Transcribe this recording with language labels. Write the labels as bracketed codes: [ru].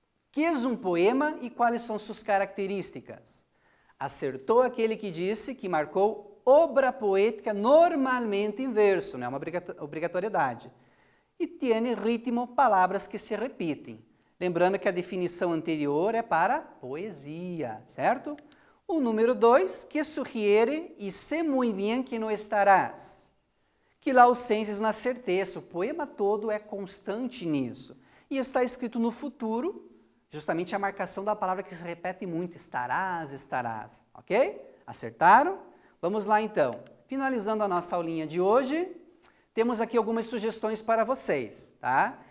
[pt] Que é um poema e quais são suas características? Acertou aquele que disse que marcou obra poética normalmente em verso, não é uma obrigatoriedade. E tem ritmo, palavras que se repetem. Lembrando que a definição anterior é para poesia, certo? O número 2, que sugere [es] e sé muy bien que no estarás. [pt] Que lá o senses na certeza, o poema todo é constante nisso. E está escrito no futuro, justamente a marcação da palavra que se repete muito, estarás, estarás. Ok? Acertaram? Vamos lá então. Finalizando a nossa aulinha de hoje, temos aqui algumas sugestões para vocês, tá?